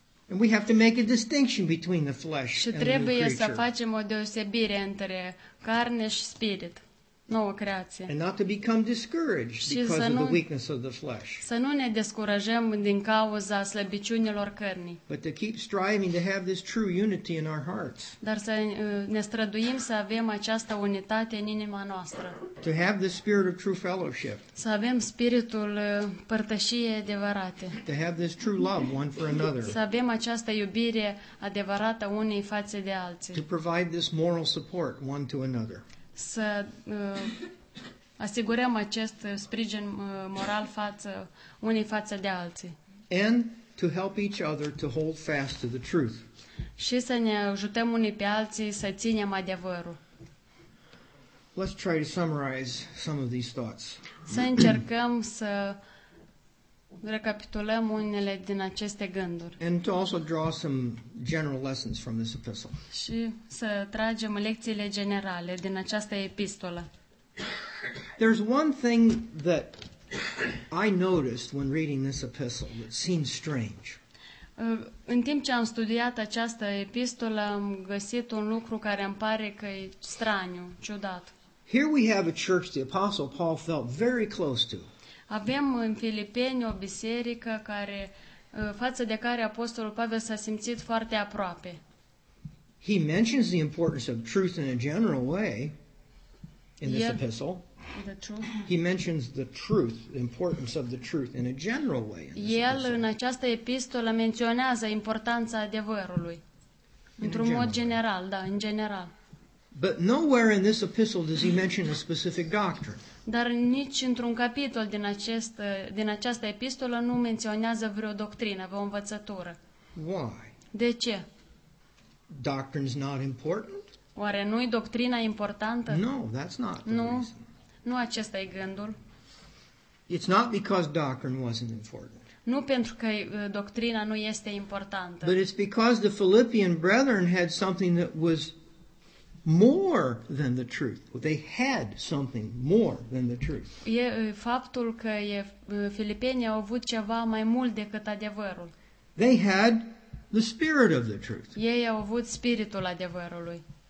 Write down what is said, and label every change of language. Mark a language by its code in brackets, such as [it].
[en] And we have to make a distinction between the flesh [ro] și trebuie să facem o deosebire între carne și spirit. Nouă creație. [en] And not to become discouraged because of the weakness of the flesh. [ro] Să nu ne descurajăm din cauza slăbiciunilor cărnii. [en] But to keep striving to have this true unity in our hearts. [ro] Dar să ne străduim să avem această unitate în inima noastră. [en] To have the spirit of true fellowship. [ro] Să avem spiritul părtășiei adevărate. [en] To have this true love one for another. [ro] Să avem această iubire adevărată unii față de alții. [en] To provide this moral support one to another. [ro] Să asigurăm acest sprijin moral față unii față de alții. [en] And to help each other to hold fast to the truth. [ro] Și să ne ajutăm unii pe alții să ținem adevărul. [en] Let's try to summarize some of these thoughts. [ro] Să încercăm să recapitulăm unele din aceste gânduri. [en] And to also draw some general lessons from this epistle. [ro] Și să tragem lecțiile generale din această epistolă. [en] There's one thing that I noticed when reading this epistle that seems strange. [ro] În timp ce am studiat această epistolă, am găsit un lucru care îmi pare că e straniu, ciudat. [en] Here we have a church the apostle Paul felt very close to. [ro] Avem în Filipeni o biserică care, față de care apostolul Pavel s-a simțit foarte aproape. [en] He mentions the importance of truth in a general way in this epistle. He mentions the truth, the importance of the truth in a general way in this epistle. [ro] El în această epistolă menționează importanța adevărului. Într-un mod general, da, în general. [en] But nowhere in this epistle does he mention a specific doctrine. [ro] Dar nici într-un capitol din această epistolă nu menționează vreo doctrină, vreo învățătură. [en] Why? [ro] De ce? [en] Doctrine's not important? [ro] Oare nu-i doctrina importantă? [en] No, that's not the [ro] nu, [en] reason. [ro] Nu acesta e gândul. [en] It's not because doctrine wasn't important. [ro] Nu pentru că doctrina nu este importantă. [en] But it's because the Philippian brethren had something that was more than the truth. They had something more than the truth. [ro] E faptul că filipenii au avut ceva mai mult decât adevărul. [en] They had the spirit of the truth. [ro] Ei au avut spiritul adevărului.